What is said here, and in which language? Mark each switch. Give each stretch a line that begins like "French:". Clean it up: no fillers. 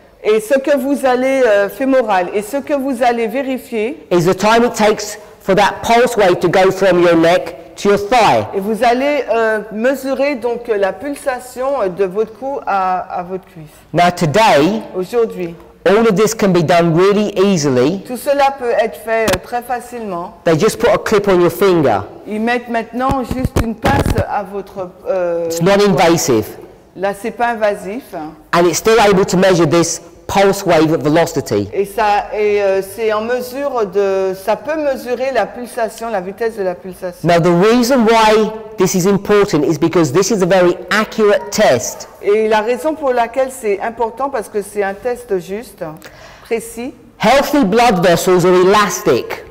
French: Et ce que vous allez fémoral et ce que vous allez vérifier
English: is the time it takes for that pulse wave to go from your neck to your thigh.
French: Et vous allez mesurer donc la pulsation de votre cou à votre cuisse.
English: Now today,
French: aujourd'hui,
English: all of this can be done really easily.
French: Tout cela peut être fait très facilement.
English: They just put a clip on your finger.
French: Ils mettent maintenant juste une pince à votre
English: It's not invasive.
French: Là, c'est pas invasif.
English: And it's still able to measure this pulse wave velocity.
French: Et ça, et c'est en mesure de, ça peut mesurer la pulsation, la vitesse de la pulsation.
English: Now the reason why this is important is because this is a very accurate test.
French: Et la raison pour laquelle c'est important parce que c'est un test juste, précis.
English: Healthy blood vessels are elastic.